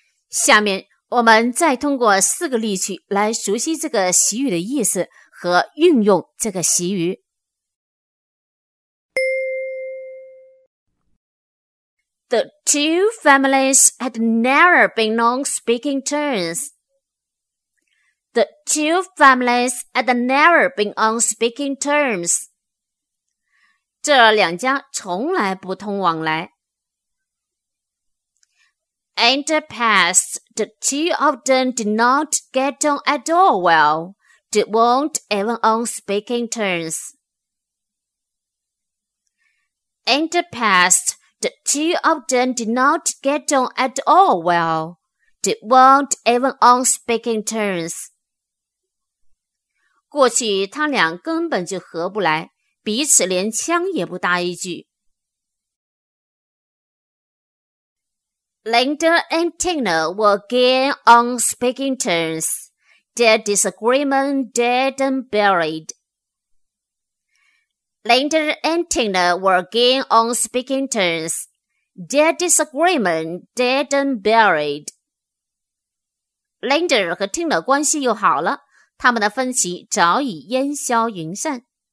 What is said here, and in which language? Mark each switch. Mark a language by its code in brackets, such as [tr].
[zh] 下面我们再通过四个例句来熟悉这个习语的意思和运用这个习语。 [en] The two families had never been on speaking terms. The two families had never been on speaking terms. [zh] 这两家从来不通往来。 [en] In the past, the two of them did not get on at all well. They weren't even on speaking terms. In the past, the two of them did not get on at all well. They weren't even on speaking terms. [zh] 过去他俩根本就合不来，彼此连枪也不搭一句。 [en] Linda and Tina were again on speaking terms. Their disagreement dead and buried. Linda and Tina were again on speaking terms. Their disagreement dead and buried. [zh] Linda 和 Tina 关系又好了，他们的分歧早已烟消云散。